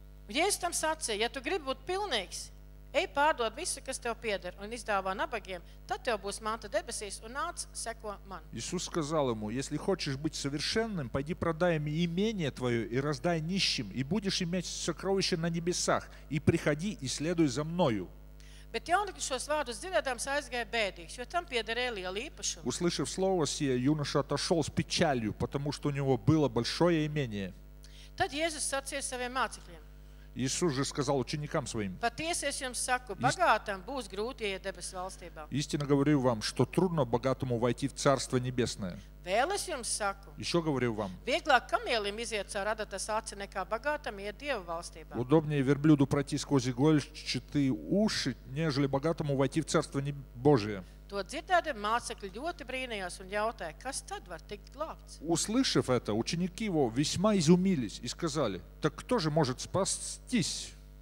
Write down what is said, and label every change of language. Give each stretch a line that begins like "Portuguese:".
Latvian: Jēzus tam sacīja, ja tu gribi būt pilnīgs, ej pārdod visu, kas tev pieder, un izdāvā nabagiem, tad tev būs māta debesīs un nāc seko man.
Russian: Jēzus сказал ему, если хочешь быть совершенным, пойди продай имение твое и раздай нищим, и будешь иметь сокровище на небесах, и приходи и следуй за мною.
Latvian: Bet jaunakļi šos vārdus dzirdēdams aizgāja bēdīgs, jo tam piederēja liela īpašuma.
Russian: Услышав слово сие, юноша отошел с печалью, потому что у него было большое имение.
Latvian: Tad Jēzus sacīja saviem mācekļiem.
Russian: Иисус же сказал ученикам своим, истинно говорю вам, что трудно богатому войти в Царство Небесное. Еще говорю вам, удобнее верблюду пройти сквозь игольчатые уши, нежели богатому войти в Царство Божие.
Latvian: To dzirdēdi mācekļi ļoti brīnījās un jautāja, kas tad var tikt glābts?
Russian: Услышав это, ученики его весьма изумились и сказали, так кто же может спастись?